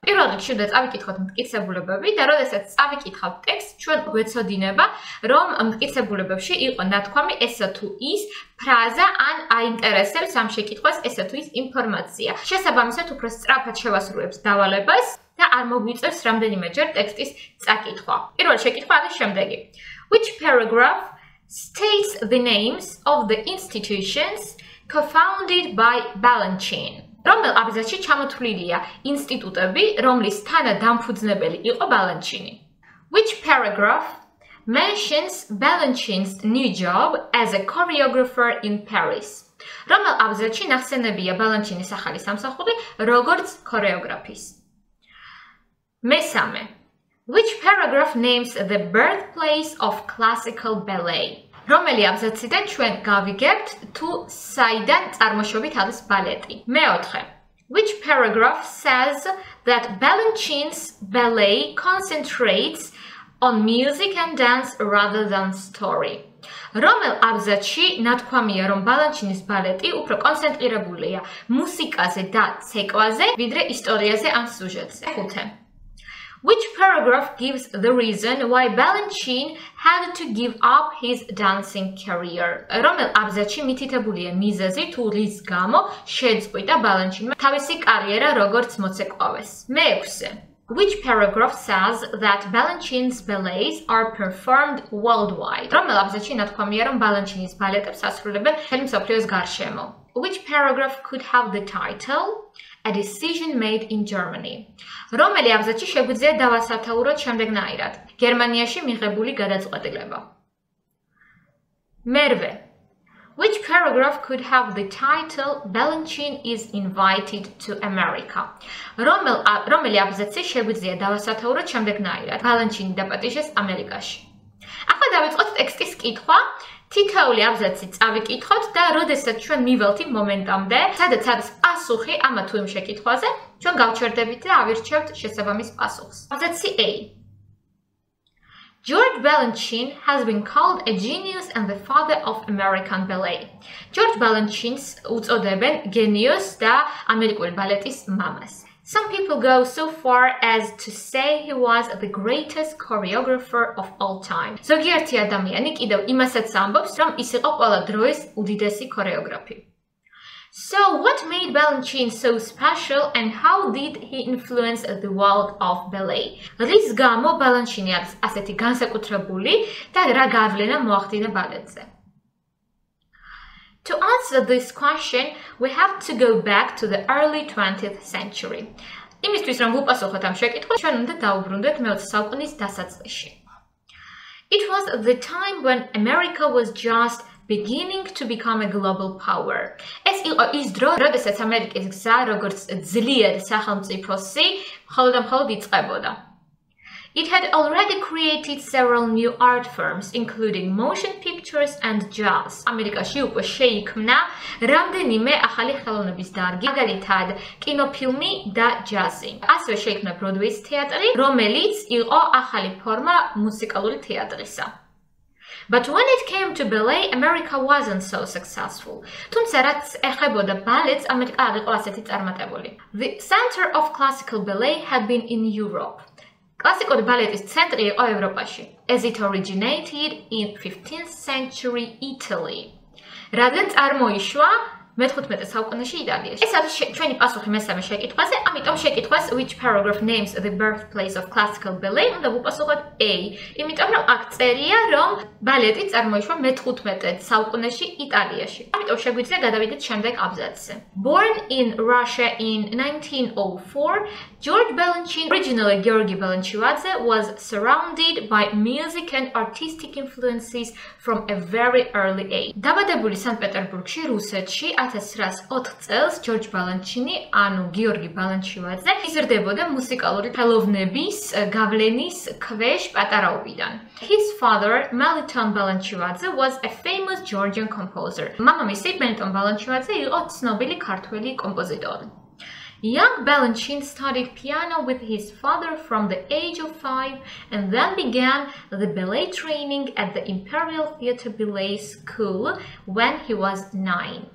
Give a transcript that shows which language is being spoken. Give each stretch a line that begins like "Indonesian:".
Georgian: პირველ რიგში უნდა წავიკითხოთ მტკიცებულებები და როდესაც წავიკითხავთ ტექსტს, ჩვენ გვეცოდინება, რომ მტკიცებულებებში იყო ნათქვამი ესა თუ ის ფრაზა ან აინტერესებს ამ შეკითხვას ესა თუ ის ინფორმაცია. შესაბამისად, უფრო სწრაფად შევასრულებს დავალებას და არ მოგვიწევს რამდენიმეჯერ ტექსტის წაკითხვა. პირველი შეკითხვა არის შემდეგი.
English: Which paragraph states the names of the institutions co-founded by Balanchine?
Georgian: რომელ აბზაცში ჩამოთვლილია ინსტიტუტები, რომლის თანადამფუძნებელი იყო Balanchine?
English: Which paragraph mentions Balanchine's new job as a choreographer in Paris?
Georgian: რომელ აბზაცში ნახსენებია Balanchine's ახალი სამსახური როგორც choreographer-ის? მესამე.
English: Which paragraph names the birthplace of classical ballet?
Georgian: რომელი აბზაციდან ჩვენ გავიგებთ თუ საიდან წარმოშობით არის ბალეტი? მეოთხე.
English: Which paragraph says that Balanchine's ballet concentrates on music and dance rather than story?
Georgian: რომელ აბზაცში ნათქვამია, რომ Balanchine's ballet-ი უფრო კონცენტრირებულია მუსიკაზე და ცეკვაზე, ვიდრე ისტორიაზე ან სიუჟეტზე? ხუთე.
English: Which paragraph gives the reason why Balanchine had to give up his dancing career?
Georgian: რომელ აბზაცში მითითებულია მიზეზი, თუ რის გამო შეწყვიტა Balanchine თავისი კარიერა როგორც მოცეკვავეს? მე-6.
English: Which paragraph says that Balanchine's ballets are performed worldwide?
Georgian: რომელ აბზაცში ნათქვამია, რომ Balanchine's ballet-ებს ასრულებენ მთელი მსოფლიოს გარშემო?
English: Which paragraph could have the title A decision made in Germany?
Georgian: რომელი აბზაცში შეგვიძლია დავასათაუროთ შემდეგნაირად: გერმანიაში მიღებული გადაწყვეტილება. მერვე.
English: Which paragraph could have the title Balanchine is invited to America?
Georgian: რომელი აბზაცში შეგვიძლია დავასათაუროთ შემდეგნაირად: Balanchine დაპატიჟეს ამერიკაში. ახლა დავიწყოთ ტექსტის კითხვა. თითოეული აბზაცი წავიკითხოთ და როდესაც ჩვენ მივალთ იმ მომენტამდე, სადაც არის პასუხი ამ თუ იმ შეკითხვაზე, ჩვენ გავჩერდებით და ავირჩევთ შესაბამის პასუხს. აბზაცი A.
English: George Balanchine has been called a genius and the father of American ballet.
Georgian: George Balanchine's უწოდებენ გენიოს და ამერიკული ბალეტის მამას.
English: Some people go so far as to say he was the greatest choreographer of all time.
Georgian: ზოგიერთი ადამიანი კიდევ იმასაც ამბობს, რომ ის იყო ყველა დროის უდიდესი ქორეოგრაფი.
English: So what made Balanchine so special and how did he influence the world of ballet?
Georgian: რის გამო Balanchine არის ასეთი განსაკუთრებული და რა გავლენა მოახდინა ბალეტზე?
English: To answer this question, we have to go back to the early 20th century.
Georgian: იმისთვის რომ ვუპასუხოთ ამ შეკითხვას, ჩვენ უნდა დავუბრუნდეთ 20 საუკუნის დასაწყისში.
English: It was the time when America was just beginning to become a global power.
Georgian: ეს იყო ის დრო, როდესაც ამერიკის გზა როგორც ძლიერ სახელმწიფოსი მხოლოდ და მხოლოდ იწყებოდა.
English: It had already created several new art forms including motion pictures and jazz.
Georgian: ამერიკაში უკვე შეიქმნა რამდენიმე ახალი ხელოვნების დარგი, მაგალითად, კინოფილმი და ჯაზი. ასევე შეიქმნა ბროდვეის თეატრი, რომელიც იყო ახალი ფორმა მუსიკალური თეატრისა.
English: But when it came to ballet, America wasn't so successful.
Georgian: თუმცა რაც ეხებოდა ბალეტს, ამერიკა არ იყო ასეთი წარმატებული.
English: The center of classical ballet had been in Europe.
Georgian: კლასიკური ბალეტის ცენტრი იყო ევროპაში.
English: As it originated in 15th century Italy.
Georgian: რადგან წარმოიშვა მე-15 საუკუნეში იტალიაში. ეს არის ჩვენი პასუხი მესამე შეკითხვაზე, ამიტომ შეკითხვას
English: which paragraph names the birthplace of classical ballet
Georgian: უნდა ვუპასუხოთ A, იმიტომ რომ აქ წერია რომ ბალეტი წარმოიშვა მე-15 საუკუნეში იტალიაში. ამიტომ შეგვიძლია გადავიდეთ შემდეგ აბზაცზე.
English: Born in Russia in 1904, George Balanchine, originally Georgi Balanchivadze, was surrounded by music and artistic influences from a very early age.
Georgian: დაბადებული სანქტ-პეტერბურგში, რუსეთში 1904 წელს ჯორჯ ბალანჩინი, ანუ გიორგი ბალანჩივაძე, იზრდებოდა მუსიკალური ხელოვნების გავლენის ქვეშ პატარაობიდან.
English: His father, Meliton Balanchivadze, was a famous Georgian composer.
Georgian: მამამისი, Meliton Balanchivadze, იყო ცნობილი ქართველი კომპოზიტორი.
English: Young Balanchine studied piano with his father from the age of 5 and then began the ballet training at the Imperial Theatre Ballet School when he was 9.